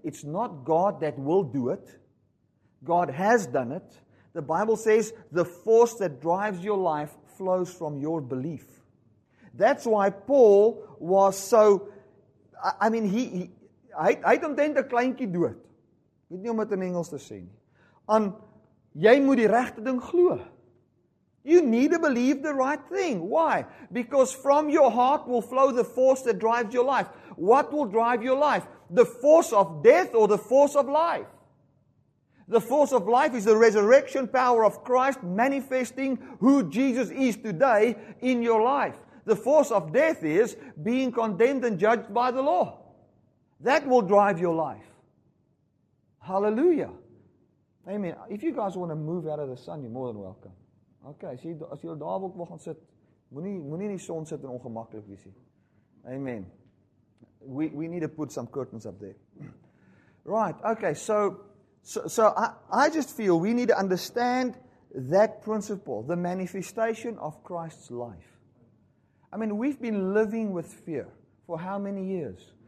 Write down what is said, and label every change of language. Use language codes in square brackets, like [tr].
[en] It's not God that will do it. God has done it. The Bible says the force that drives your life flows from your belief. That's why Paul was so, I mean, he I don't think the kleintjie do it. [af] Weet nie om dit in Engels te sê nie. En jy moet die regte ding glo. [en] You need to believe the right thing. Why? Because from your heart will flow the force that drives your life. What will drive your life? The force of death or the force of life? The force of life is the resurrection power of Christ manifesting who Jesus is today in your life. The force of death is being condemned and judged by the law. That will drive your life. Hallelujah. Amen. If you guys want to move out of the sun, you're more than welcome. [af] Okay, sien, as jy daar wil gaan sit, moenie in die son sit en ongemaklik wees nie. [en] Amen. We need to put some curtains up there. Right, okay, so I just feel we need to understand that principle, the manifestation of Christ's life. I mean, we've been living with fear for how many years?